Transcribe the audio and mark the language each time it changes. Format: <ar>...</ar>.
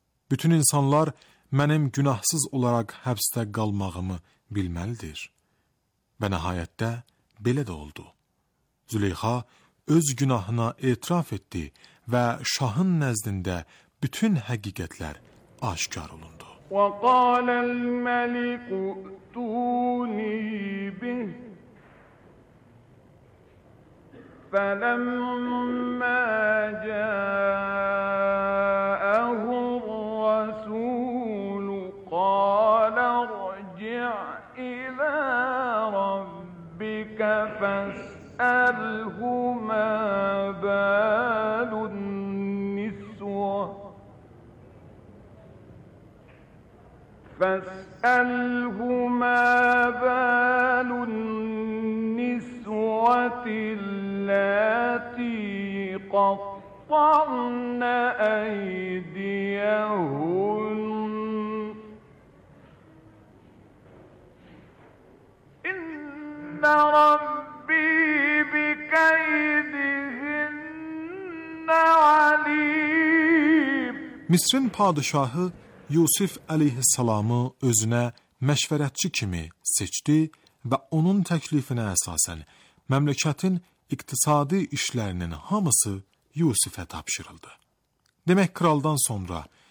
<az>Bütün insanlar mənim günahsız olaraq həbsdə qalmağımı bilməlidir. Və nəhayətdə belə də oldu. Züleyxa öz günahına etiraf etdi və şahın nəzdində bütün həqiqətlər aşkar olundu.</az> <ar>Və qaləl-məlik ətuni bih فَلَمَّا جَاءَهُ الرَّسُولُ قَالَ ارْجِعْ إِلَى رَبِّكَ فَاسْأَلْهُ مَا بَالُ النِّسْوَةِ فَاسْأَلْهُ مَا بَالُ النِّسْوَةِ التي قطعن أيديهن إن ربي بكيدهن عليم</ar> <az>Misrin padişahı Yusif əleyhissalamı özünə məşvərətçi kimi seçdi və onun təklifinə əsasən məmləkətin İqtisadi işlərinin hamısı Yusifə tapşırıldı. Demək, kraldan sonra</az>